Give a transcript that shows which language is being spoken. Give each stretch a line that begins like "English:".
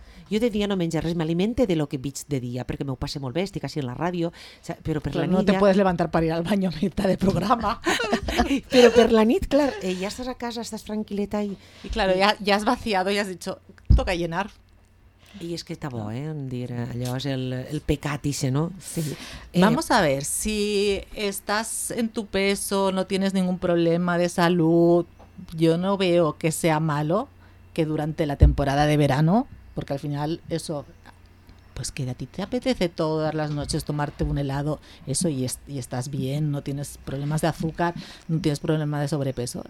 Catalan: Jo de dia no menjo res, m'alimente de lo que veig de dia, perquè m'ho passe molt bé, estic així en la ràdio, però per la nit...
Spanish: No te puedes levantar per ir al baño a mitad de programa.
Catalan: Però per la nit, clar, ja estàs a casa, estàs tranquil·leta i...
Spanish: I claro, ja has vaciado i has dicho, toca llenar.
Catalan: I és que està bo, dir allò és el pecat ixe, no? Sí.
Spanish: Vamos a ver, si estàs en tu peso, no tienes ningún problema de salud, yo no veo que sea malo que durante la temporada de verano... Porque al final eso, pues que a ti te apetece todas las noches tomarte un helado, eso y estás bien, no tienes problemas de azúcar, no tienes problemas de sobrepeso.